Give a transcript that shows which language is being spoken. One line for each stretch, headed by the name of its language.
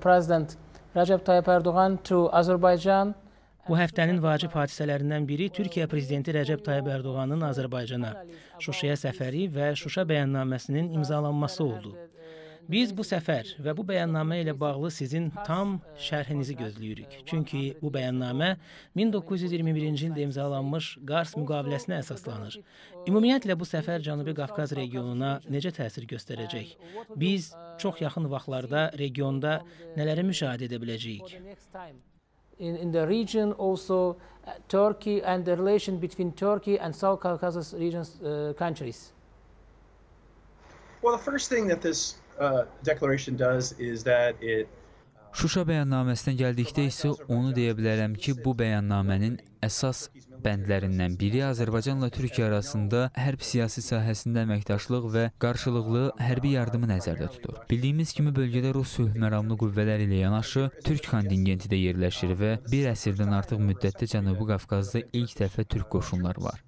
English: President Recep Tayyip Erdoğan to Azerbaijan.
Azerbaijani: Bu həftənin vacib hadisələrindən biri Türkiyə prezidenti Recep Tayyip Erdoğan'ın Azerbaycana, Şuşaya səfəri və Şuşa bəyannaməsinin imzalanması oldu. Biz bu səfər və bu bəyannamə ilə bağlı sizin tam şərhinizi gözləyirik. Çünki bu bəyannamə 1921-ci ildə imzalanmış Qars müqaviləsinə əsaslanır. Ümumiyyətlə, bu səfər Cənubi Qafqaz regionuna necə təsir göstərəcək? Biz çox yaxın vaxtlarda regionda nələri müşahidə edə biləcəyik?
English: In the region also Turkey and the relation between Turkey and South Caucasus regions countries. Well, the first thing that this declaration does is that it
Azerbaijani: Şuşa bəyannaməsinə gəldikdə isə onu deyə bilərəm ki, bu bəyannamənin əsas bəndlərindən biri Azərbaycanla Türkiyə arasında hərbi siyasi sahəsində əməkdaşlıq və qarşılıqlı hərbi yardımı nəzərdə tutur. Bildiyimiz kimi bölgədə Rus sülh məramlı qüvvələr ilə yanaşı Türk kontingenti də yerləşir və bir əsrdən artıq müddətdə Cənubi Qafqazda ilk dəfə Türk qoşunlar var.